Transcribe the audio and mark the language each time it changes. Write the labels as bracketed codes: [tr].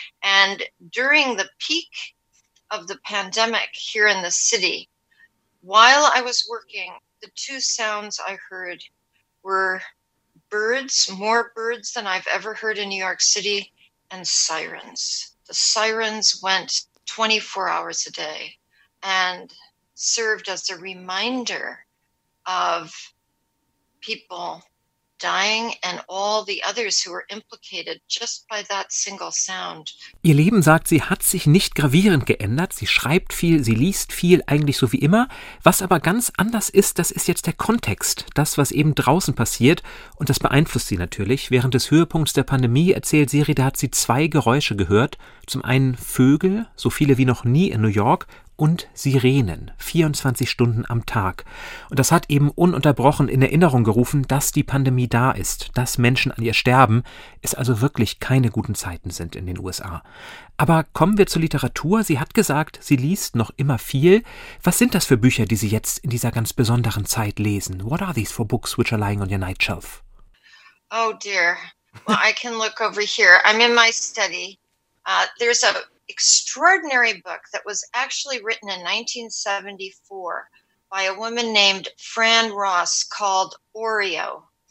[en] And during the peak of the pandemic here in the city, while I was working, the two sounds I heard were birds, more birds than I've ever heard in New York City, and sirens. The sirens went 24 hours a day and served as a reminder of people dying and all the others who were implicated just by that single sound. [de] Ihr Leben, sagt sie, hat sich nicht gravierend geändert. Sie schreibt viel, sie liest viel, eigentlich so wie immer. Was aber ganz anders ist, das ist jetzt der Kontext, das, was eben draußen passiert. Und das beeinflusst sie natürlich. Während des Höhepunkts der Pandemie, erzählt Siri, da hat sie zwei Geräusche gehört. Zum einen Vögel, so viele wie noch nie in New York, und Sirenen, 24 Stunden am Tag. Und das hat eben ununterbrochen in Erinnerung gerufen, dass die Pandemie da ist, dass Menschen an ihr sterben, es also wirklich keine guten Zeiten sind in den USA. Aber kommen wir zur Literatur. Sie hat gesagt, sie liest noch immer viel. Was sind das für Bücher, die Sie jetzt in dieser ganz besonderen Zeit lesen? [en] What are these for books which are lying on your nightshelf? Oh dear. Well, I can look over here. I'm in my study. There's a extraordinary book that was actually written in 1974 by a woman named Fran Ross called Oreo.